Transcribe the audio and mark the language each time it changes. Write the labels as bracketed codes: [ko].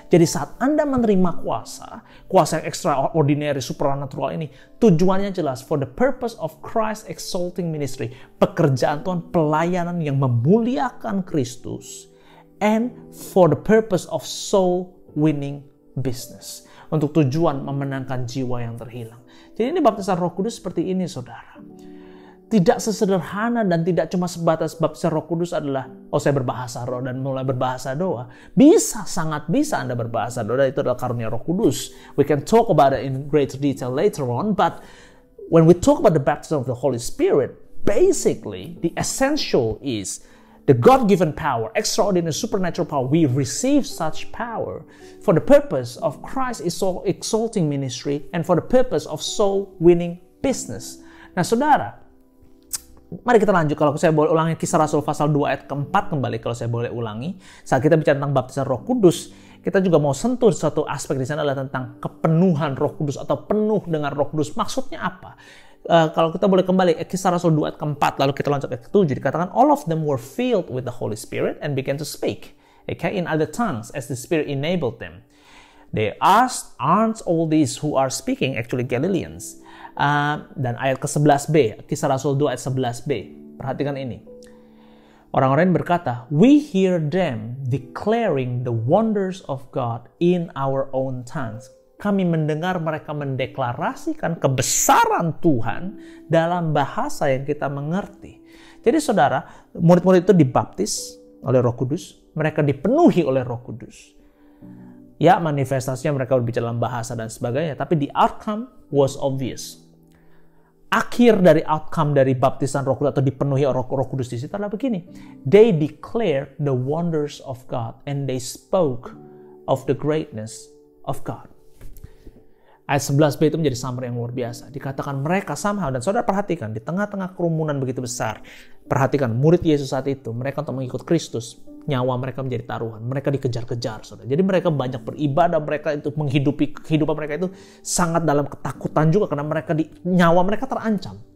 [id] Jadi saat Anda menerima kuasa, kuasa yang extraordinary, supernatural ini, tujuannya jelas, [en] for the purpose of Christ exalting ministry, [id] pekerjaan Tuhan, pelayanan yang memuliakan Kristus, [en] and for the purpose of soul winning business, [id] untuk tujuan memenangkan jiwa yang terhilang. Jadi ini baptisan Roh Kudus seperti ini, saudara. Tidak sesederhana dan tidak cuma sebatas baptisan Roh Kudus adalah, oh saya berbahasa roh dan mulai berbahasa doa. Bisa, sangat bisa Anda berbahasa doa, dan itu adalah karunia Roh Kudus. [en] We can talk about it in greater detail later on, but when we talk about the baptism of the Holy Spirit, basically the essential is the God-given power, extraordinary supernatural power, we receive such power for the purpose of Christ exalting ministry and for the purpose of soul winning business. [id] Nah saudara, mari kita lanjut. Kalau saya boleh ulangi Kisah Rasul pasal 2 ayat ke-4 kembali, kalau saya boleh ulangi. Saat kita bicara tentang baptisan Roh Kudus, kita juga mau sentuh suatu aspek di sana adalah tentang kepenuhan Roh Kudus atau penuh dengan Roh Kudus. Maksudnya apa? Kalau kita boleh kembali Kisah Rasul 2 ayat ke-4, lalu kita lanjut ayat ke-7, dikatakan [en] all of them were filled with the Holy Spirit and began to speak, okay, in other tongues as the Spirit enabled them. They asked, aren't all these who are speaking actually Galileans? [id] Dan ayat ke-11b, Kisah Rasul 2 ayat 11b, perhatikan ini. Orang-orang yang berkata, [en] we hear them declaring the wonders of God in our own tongues. [id] Kami mendengar mereka mendeklarasikan kebesaran Tuhan dalam bahasa yang kita mengerti. Jadi saudara, murid-murid itu dibaptis oleh Roh Kudus, mereka dipenuhi oleh Roh Kudus. Ya, manifestasinya mereka berbicara dalam bahasa dan sebagainya, tapi [en] the outcome was obvious. [id] Akhir dari outcome dari baptisan Roh Kudus atau dipenuhi Roh Kudus di situ adalah begini. [en] They declared the wonders of God and they spoke of the greatness of God. [id] Ayat 11b itu menjadi summary yang luar biasa. Dikatakan mereka somehow, dan saudara perhatikan, di tengah-tengah kerumunan begitu besar, perhatikan murid Yesus saat itu, mereka untuk mengikut Kristus, nyawa mereka menjadi taruhan. Mereka dikejar-kejar, saudara. Jadi mereka banyak beribadah, mereka itu menghidupi kehidupan mereka itu sangat dalam ketakutan juga, karena mereka di nyawa mereka terancam.